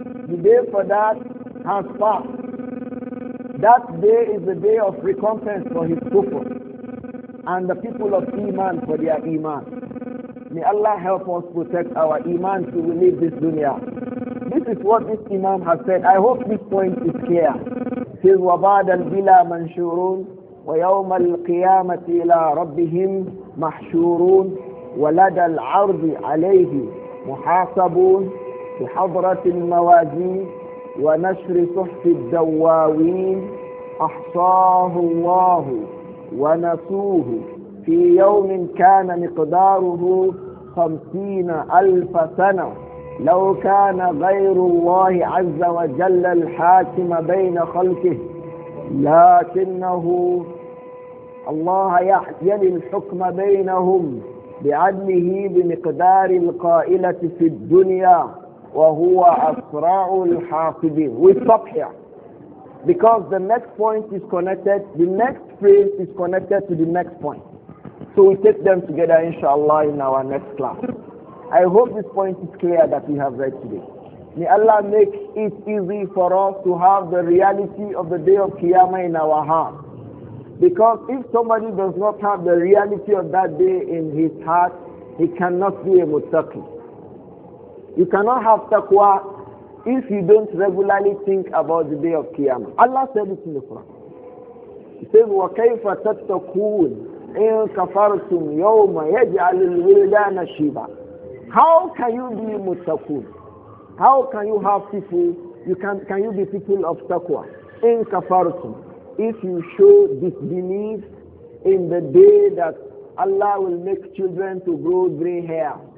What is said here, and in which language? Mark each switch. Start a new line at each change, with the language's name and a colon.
English: The day for that has passed. That day is the day of recompense for his kufr and the people of Iman for their Iman. May Allah help us protect our Iman till we leave this dunya. This is what this Imam has said. I hope this point is clear. It says,
Arabic: وَبَعْدَ الْبِلَى مَنْشُورُونَ وَيَوْمَ الْقِيَامَةِ إِلَىٰ رَبِّهِمْ مَحْشُورُونَ وَلَدَ الْعَرْضِ عَلَيْهِ محاسبون في حضرة الموازين ونشر صحف الدواوين أحصاه الله ونسوه في يوم كان مقداره 50,000 سنة لو كان غير الله عز وجل الحاكم بين خلقه لكنه الله يلي الحكم بينهم بعدله بمقدار القائلة في الدنيا وهو أسراع الحاسبين.
English: We stop here. Because the next point is connected, the next phrase is connected to the next point. So we take them together inshallah in our next class. I hope this point is clear that we have read today. May Allah make it easy for us to have the reality of the day of Qiyamah in our hearts. Because if somebody does not have the reality of that day in his heart, he cannot be a muttaqi. You cannot have taqwa if you don't regularly think about the day of Qiyamah. Allah said it in the Quran. He says,
Arabic: وَكَيْفَ تَتَّقُونَ إِن كَفَرْتُمْ يَوْمَ يَجْعَلُ الْوِلْدَانَ شِبَى.
English: How can you be muttaqun? How can you have people, can you be people of taqwa?
Arabic: إِن كَفَرْتُمْ.
English: If you show disbelief in the day that Allah will make children to grow gray hair.